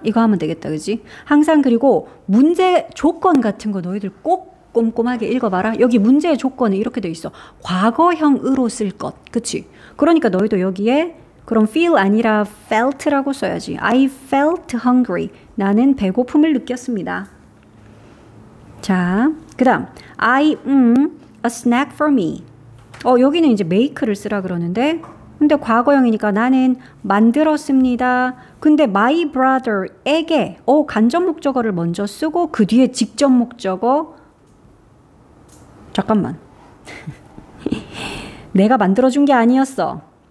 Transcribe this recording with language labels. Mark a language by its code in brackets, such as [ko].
[ko] 이거 하면 되겠다, 그지? 항상 그리고 문제 조건 같은 거 너희들 꼭 꼼꼼하게 읽어봐라. 여기 문제의 조건은 이렇게 돼 있어. 과거형으로 쓸 것, 그치? 그러니까 너희도 여기에 그럼 feel 아니라 felt라고 써야지. [en] I felt hungry. [ko] 나는 배고픔을 느꼈습니다. 자, 그 다음 [en] I a snack for me. [ko] 여기는 이제 make를 쓰라 그러는데 근데 과거형이니까 나는 만들었습니다. 근데 my brother에게 간접 목적어를 먼저 쓰고 그 뒤에 직접 목적어 잠깐만 내가 만들어준 게 아니었어.